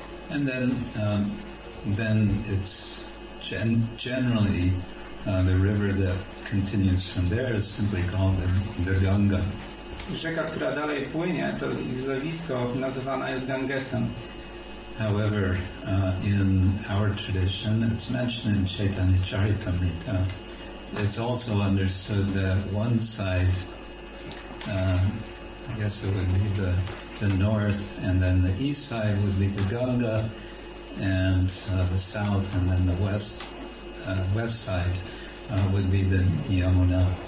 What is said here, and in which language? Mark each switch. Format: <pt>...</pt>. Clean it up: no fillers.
<en>And then it's generally the river that continues from there is simply called the Ganga.</en> <pl>Rzeka, która dalej płynie, to ich zlewisko nazywana jest Gangesem.</pl> <en>However, in our tradition, it's mentioned in Chaitanya Charitamrita. It's also understood that one side, I guess it would be the north, and then the east side would be the Ganga, and the south, and then the west side would be the Yamuna.</en>